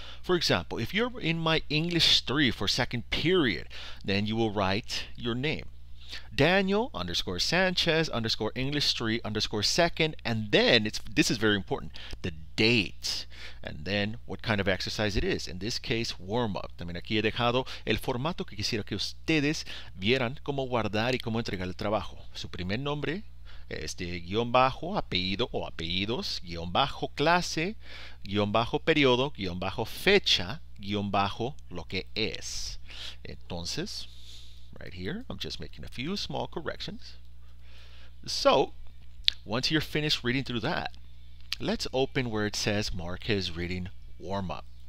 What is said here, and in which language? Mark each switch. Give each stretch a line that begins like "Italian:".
English: For example, if you're in my English 3 for second period, then you will write your name. Daniel underscore Sanchez underscore English 3 underscore second, and then this is very important, the date, and then what kind of exercise it is. In this case, warm up.
Spanish: También aquí he dejado el formato que quisiera que ustedes vieran cómo guardar y cómo entregar el trabajo. Su primer nombre, guión bajo, apellido o apellidos, guión bajo clase, guión bajo periodo, guión bajo fecha, guión bajo lo que es.
English: Entonces, right here, I'm just making a few small corrections. So, once you're finished reading through that, let's open where it says Marquez Reading Warm Up.